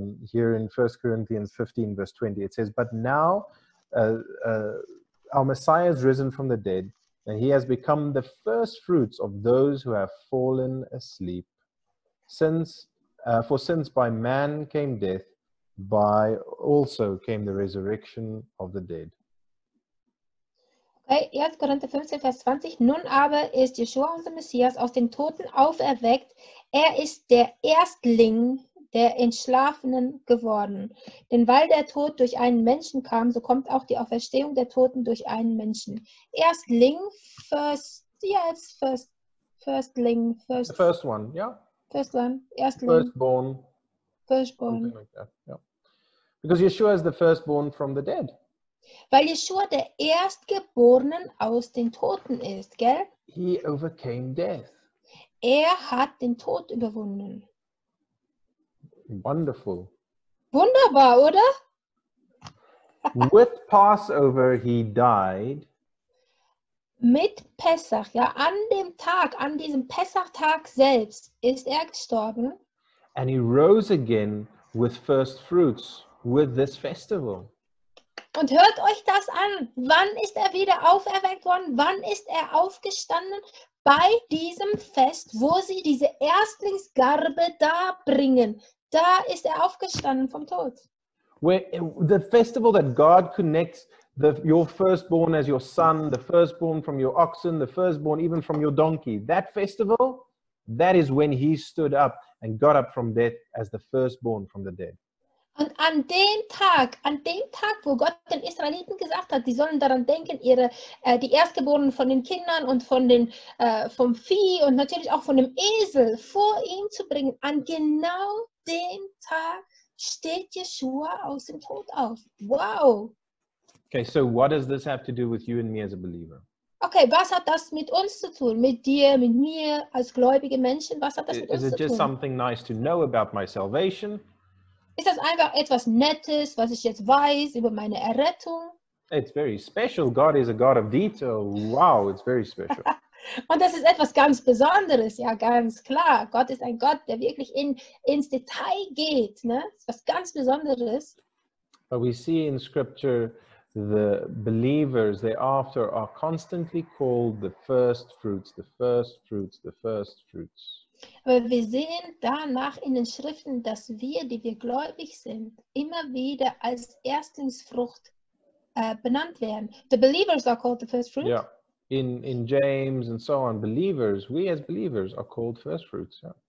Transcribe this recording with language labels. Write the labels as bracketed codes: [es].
[en] Here in 1 Corinthians 15, verse 20, it says, "But now our Messiah has risen from the dead, and he has become the first fruits of those who have fallen asleep. Since by man came death, by also came the resurrection of the dead." [de] Okay, 1. Korinther 15, Vers 20. "Nun aber ist Jeshua, unser Messias, aus den Toten auferweckt. Er ist der Erstling der Entschlafenen geworden. Denn weil der Tod durch einen Menschen kam, so kommt auch die Auferstehung der Toten durch einen Menschen." [en] Erstling, first, yes, first, firstling, first. The first one, yeah. First one, erstling. Firstborn. Firstborn. Something like that, yeah. Because Yeshua is the firstborn from the dead. [de] Weil Yeshua der Erstgeborenen aus den Toten ist, gell? [en] He overcame death. [de] Er hat den Tod überwunden. [en] Wonderful. [de] Wunderbar, oder? [en] With Passover he died. [de] Mit Pessach, ja, an dem Tag, an diesem Pessachtag selbst ist er gestorben. [en] And he rose again with first fruits with this festival. [de] Und hört euch das an. Wann ist er wieder auferweckt worden? Wann ist er aufgestanden? Bei diesem Fest, wo sie diese Erstlingsgarbe da bringen. Da ist er aufgestanden vom Tod. [en] The festival that God connects your firstborn as your son, the firstborn from your oxen, the firstborn even from your donkey. That festival, that is when he stood up and got up from death as the firstborn from the dead. [de] Und an dem Tag, wo Gott den Israeliten gesagt hat, die sollen daran denken, die Erstgeborenen von den Kindern und vom Vieh und natürlich auch von dem Esel vor ihm zu bringen, an genau dem Tag steht Yeshua aus dem Tod auf. Wow! [en] Okay, so what does this have to do with you and me as a believer? [de] Okay, was hat das mit uns zu tun? Mit dir, mit mir, als gläubige Menschen? Was hat das mit uns zu tun? [en] Is it just something nice to know about my salvation? [de] Ist das einfach etwas Nettes, was ich jetzt weiß über meine Errettung? [en] It's very special. God is a God of detail. Wow, it's very special. [de] Und das ist etwas ganz Besonderes, ja, ganz klar. Gott ist ein Gott, der wirklich ins Detail geht, ne? Das ist was ganz Besonderes. [en] But we see in Scripture the believers thereafter are constantly called the first fruits, the first fruits, the first fruits. [de] Aber wir sehen danach in den Schriften, dass wir, die wir gläubig sind, immer wieder als Erstlingsfrucht benannt werden. [en] The believers are called the first fruits. Yeah. In James and so on, believers, we as believers are called first fruits. Yeah.